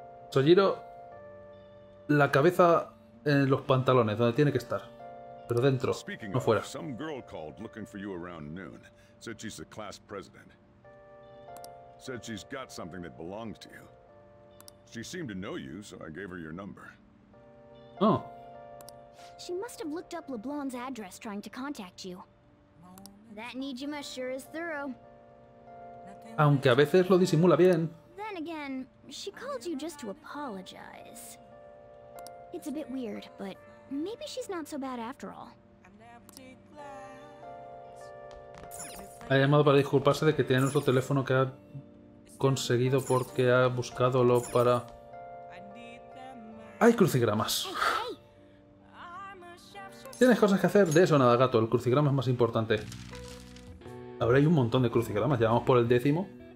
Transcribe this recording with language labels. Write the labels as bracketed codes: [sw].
[es] Sojiro, la cabeza en los pantalones, donde tiene que estar, pero dentro, [en] speaking [es] no fuera. [en] Of, some girl called looking for you around noon. Said she's the class president. Said she's got something that belongs to you. She seemed to know you, so I gave her your number. Oh. She must have looked up LeBlanc's address trying to contact you. That Nijima sure is thorough. [es] Aunque a veces lo disimula bien. [en] Then again, she called you just to apologize. It's a bit weird, but maybe she's not so bad after all. [es] Ha llamado para disculparse de que tiene nuestro teléfono que ha conseguido porque ha buscado lo para... ¡Ay, crucigramas! Tienes cosas que hacer, de eso nada, gato. El crucigrama es más importante. Ahora hay un montón de crucigramas, ya vamos por el décimo.